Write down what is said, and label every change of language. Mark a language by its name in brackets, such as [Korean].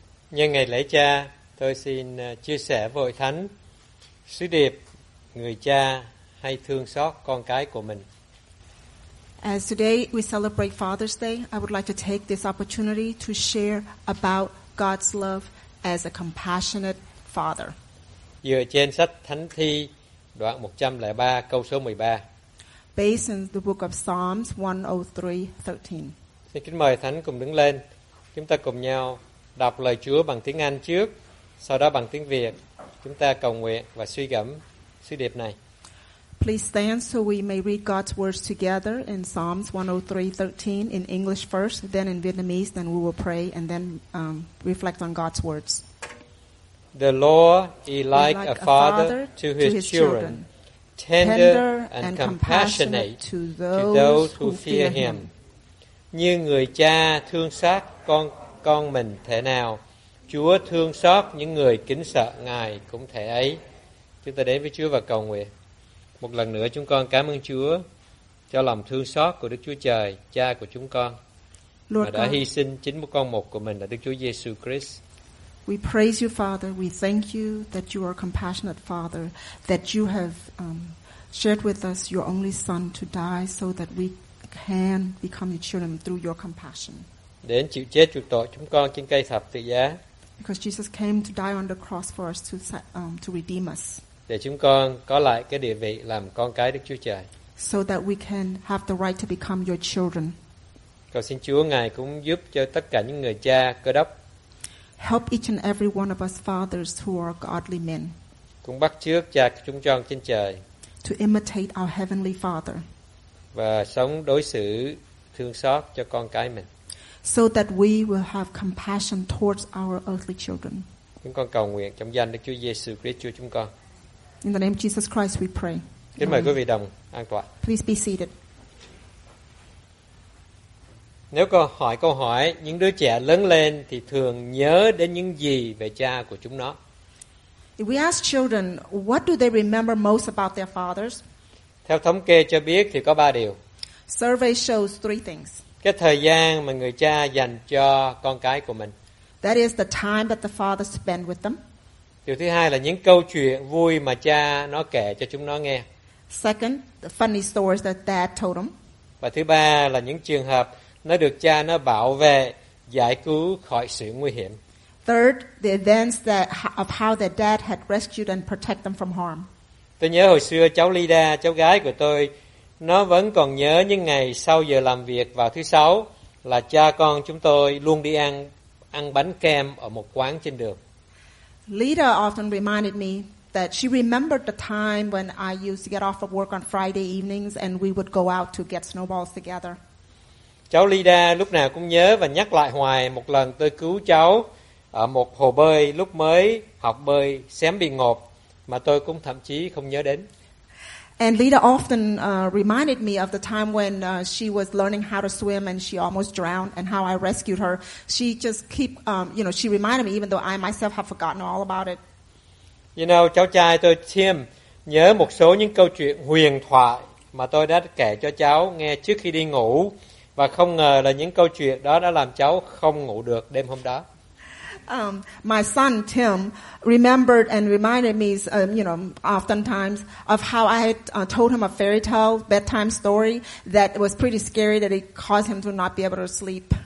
[Vietnamese] Nhân ngày lễ cha, tôi xin chia sẻ với hội thánh sứ điệp người cha hay thương xót con cái của mình. [English] As today we celebrate Father's Day, I would like to take this opportunity to share about God's love as a compassionate father. [Vietnamese] Dựa trên sách Thánh Thi đoạn 103 câu số 13. [English] Based in the book of Psalms 103:13. [Vietnamese] Xin kính mời thánh cùng đứng lên. Chúng ta cùng nhau đọc lời Chúa bằng tiếng Anh trước, sau đó bằng tiếng Việt. Chúng ta cầu nguyện và suy gẫm sứ điệp này. [English] Please stand so we may read God's words together in Psalms 103:13 in English first, then in Vietnamese, then we will pray and then reflect on God's words. The Lord is like a father to his children, tender and compassionate to those who fear him. [Vietnamese] Như người cha thương xác con mình thế nào, Chúa thương xót những người kính sợ Ngài cũng thế ấy. Chúng ta đến với Chúa và cầu nguyện. Một lần nữa chúng con cảm ơn Chúa cho lòng thương xót của Đức Chúa Trời, Cha của chúng con, mà đã hy sinh chính một con một của mình là Đức Chúa Giêsu Christ. [English] We praise you, Father. We thank you that you are a compassionate Father, that you have shared with us your only Son to die so that we can become your children through your compassion. [Vietnamese] Đến chịu chết chuộc tội chúng con trên cây thập tự giá. [English] Because Jesus came to die on the cross for us to redeem us. [Vietnamese] Để chúng con có lại cái địa vị làm con cái Đức Chúa Trời. [English] So that we can have the right to become your children. [Vietnamese] Cầu xin Chúa Ngài cũng giúp cho tất cả những người cha Cơ Đốc. [English] Help each and every one of us fathers who are godly men. [Vietnamese] Cũng bắt chước Cha chúng con trên trời. [English] To imitate our heavenly Father. [Vietnamese] Và sống đối xử thương xót cho con cái mình. [English] So that we will have compassion towards our earthly children. [Vietnamese] Chúng con cầu nguyện trong danh Đức Chúa Giêsu Christ Chúa chúng con. [English] In the name of Jesus Christ we pray. [Vietnamese] Kính mời quý vị đồng an tọa. [English] Please be seated. [Vietnamese] Nếu có hỏi câu hỏi những đứa trẻ lớn lên thì thường nhớ đến những gì về cha của chúng nó? [English] If we ask children, what do they remember most about their fathers? [Vietnamese] Theo thống kê cho biết thì có 3 điều. [English] Survey shows 3 things. [Vietnamese] Cái thời gian mà người cha dành cho con cái của mình. [English] That is the time that the father spend with them. [Vietnamese] Điều thứ hai là những câu chuyện vui mà cha nó kể cho chúng nó nghe. [English] Second, the funny stories that dad told them. [Vietnamese] Và thứ ba là những trường hợp nó được cha nó bảo vệ, giải cứu khỏi sự nguy hiểm. [English] Third, the events that of how their dad had rescued and protect them from harm. [Vietnamese] Tôi nhớ hồi xưa cháu Lida, cháu gái của tôi, nó vẫn còn nhớ những ngày sau giờ làm việc vào thứ sáu là cha con chúng tôi luôn đi ăn bánh kem ở một quán trên đường. [English] Lida often reminded me that she remembered the time when I used to get off of work on Friday evenings and we would go out to get snowballs together. [Vietnamese] Cháu Lida lúc nào cũng nhớ và nhắc lại hoài một lần tôi cứu cháu ở một hồ bơi lúc mới học bơi xém bị ngộp mà tôi cũng thậm chí không nhớ đến. [English] And Lida often reminded me of the time when she was learning how to swim and she almost drowned and how I rescued her. She just keep, she reminded me even though I myself have forgotten all about it. You know, [Vietnamese] cháu trai tôi Tim nhớ một số những câu chuyện huyền thoại mà tôi đã kể cho cháu nghe trước khi đi ngủ và không ngờ là những câu chuyện đó đã làm cháu không ngủ được đêm hôm đó. [English] My son Tim remembered and reminded me, oftentimes of how I had told him a fairy tale bedtime story that was pretty scary that it caused him to not be able to sleep.